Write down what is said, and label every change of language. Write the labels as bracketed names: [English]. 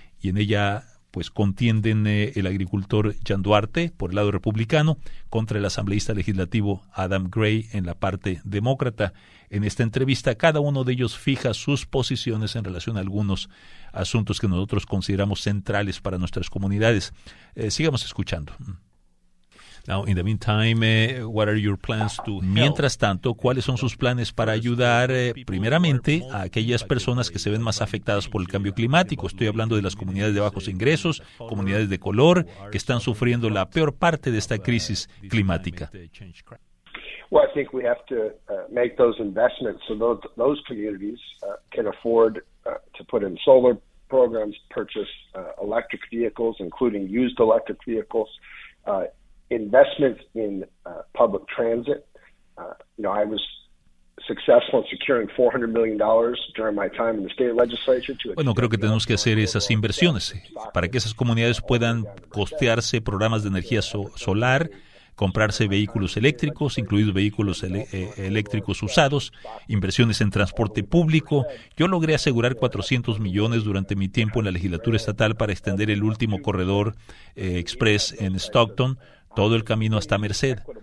[Spanish] Y en ella pues contienden el agricultor Jan Duarte por el lado republicano contra el asambleísta legislativo Adam Gray en la parte demócrata. En esta entrevista, cada uno de ellos fija sus posiciones en relación a algunos asuntos que nosotros consideramos centrales para nuestras comunidades. Sigamos escuchando. [English] Now, in the meantime, what are your plans to help? [Spanish] Mientras tanto, ¿cuáles son sus planes para ayudar, primeramente, a aquellas personas que se ven más afectadas por el cambio climático? Estoy hablando de las comunidades de bajos ingresos, comunidades de color, que están sufriendo la peor parte de esta crisis climática. [English] Well, I think we have to make those investments so those communities can afford to put in solar programs, purchase electric vehicles, including used electric vehicles. Investment in public transit. I was successful in securing $400 million during my time in the state legislature. [Spanish] Bueno, creo que tenemos que hacer esas inversiones para que esas comunidades puedan costearse programas de energía solar, comprarse vehículos eléctricos, incluidos vehículos eléctricos usados, inversiones en transporte público. Yo logré asegurar 400 millones durante mi tiempo en la legislatura estatal para extender el último corredor express en Stockton, todo el camino hasta Merced.